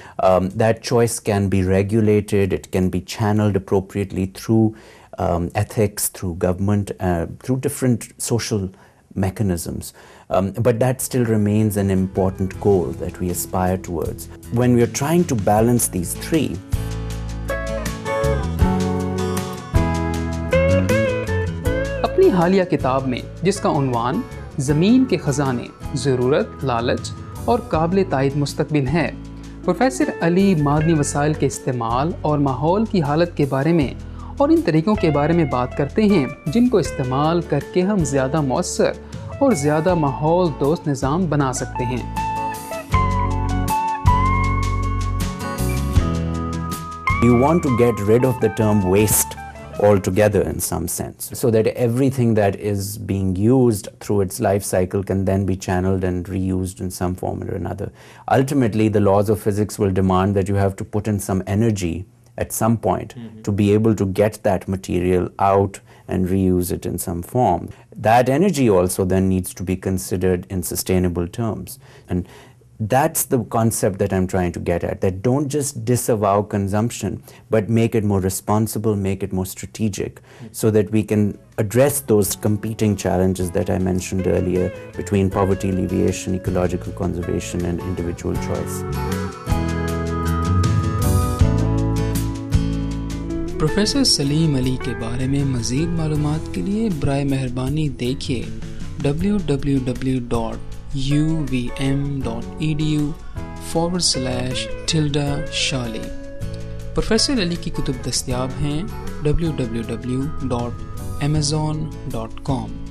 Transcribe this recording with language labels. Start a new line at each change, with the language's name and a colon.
English: That choice can be regulated, it can be channeled appropriately through ethics, through government, through different social mechanisms. But that still remains an important goal that we aspire towards. When we are trying to balance these three,
Hindi: अपनी हालिया किताब में जिसका उन्वान ज़मीन के खजाने ज़रूरत लालच और काबिले तायद मुस्तकबिल है प्रोफेसर अली मादनी वसाइल के इस्तेमाल और माहौल की हालत के बारे में और इन तरीकों के बारे में बात करते हैं जिनको इस्तेमाल करके हम ज़्यादा मौसर और ज़्यादा माहौल दोस्त निज़ाम बना सकते हैं
English: You want to get rid of the term waste. Altogether, in some sense, so that everything that is being used through its life cycle can then be channeled and reused in some form or another. Ultimately, the laws of physics will demand that you have to put in some energy at some point to be able to get that material out and reuse it in some form. That energy also then needs to be considered in sustainable terms. And that's the concept that I'm trying to get at, that don't just disavow consumption, but make it more responsible, make it more strategic, so that we can address those competing challenges that I mentioned earlier between poverty alleviation, ecological conservation, and individual choice.
Hindi: Professor Saleem Ali ke baare mein mazeed malumat ke liye brae meherbani dekhiye www.uvm.edu/tildashali professor Ali की कुतुब दस्तियाब हैं www.amazon.com